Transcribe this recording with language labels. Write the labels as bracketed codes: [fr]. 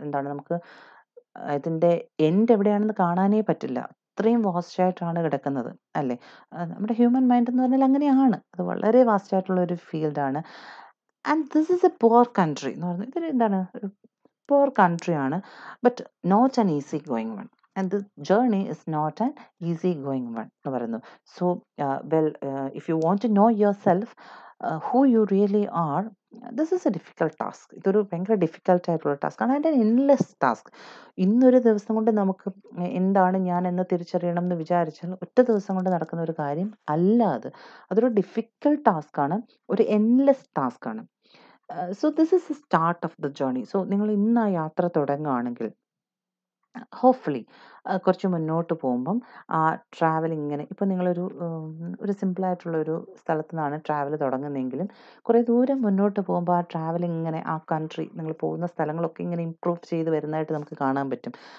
[ml] എന്താണ് നമുക്ക് ഇതിൻ്റെ എൻഡ് എവിടെയാണെന്ന് കാണാനേ പറ്റില്ല, അത്രയും വാസ്റ്റ് ആയിട്ടാണ് കിടക്കുന്നത് അല്ലേ. നമ്മുടെ ഹ്യൂമൻ മൈൻഡ് എന്ന് പറഞ്ഞാൽ അങ്ങനെയാണ്, അത് വളരെ വാസ്റ്റ് ആയിട്ടുള്ള ഒരു ഫീൽഡാണ്. [en] and this is a poor country [ml] എന്ന് പറയുന്നത്, ഇതൊരു എന്താണ് ഒരു poor കൺട്രിയാണ്. [en] but not an easy going one and the journey is not an easy going one [ml] nu parayunu. [en] So well if you want to know yourself who you really are, this is a difficult task. [ml] ഇതൊരു ഭയങ്കര difficult ആയിട്ടുള്ള task, അതായത് endless task. ഇന്നൊരു ദിവസം കൊണ്ട് നമുക്ക് എന്താണ് ഞാൻ എന്ന് തിരിച്ചറിയണം എന്ന് വിചാരിച്ചാൽ ഒറ്റ ദിവസം കൊണ്ട് നടക്കുന്ന ഒരു കാര്യം അല്ല അത്. അതൊരു ഡിഫിക്കൽട്ട് ടാസ്ക്കാണ്, ഒരു endless ടാസ്ക്കാണ്. [en] So this is the start of the journey. [ml] So നിങ്ങൾ ഇന്ന് ആ യാത്ര തുടങ്ങുകയാണെങ്കിൽ ഹോപ്പ്ഫുള്ളി കുറച്ച് മുന്നോട്ട് പോകുമ്പം ആ ട്രാവലിംഗ് ഇങ്ങനെ, ഇപ്പോൾ നിങ്ങളൊരു ഒരു സിമ്പിളായിട്ടുള്ള ഒരു സ്ഥലത്തു നിന്നാണ് ട്രാവൽ തുടങ്ങുന്നതെങ്കിലും കുറേ ദൂരം മുന്നോട്ട് പോകുമ്പോൾ ആ ട്രാവലിംഗ് ഇങ്ങനെ ആ കൺട്രി നിങ്ങൾ പോകുന്ന സ്ഥലങ്ങളൊക്കെ ഇങ്ങനെ ഇമ്പ്രൂവ് ചെയ്ത് വരുന്നതായിട്ട് നമുക്ക് കാണാൻ പറ്റും.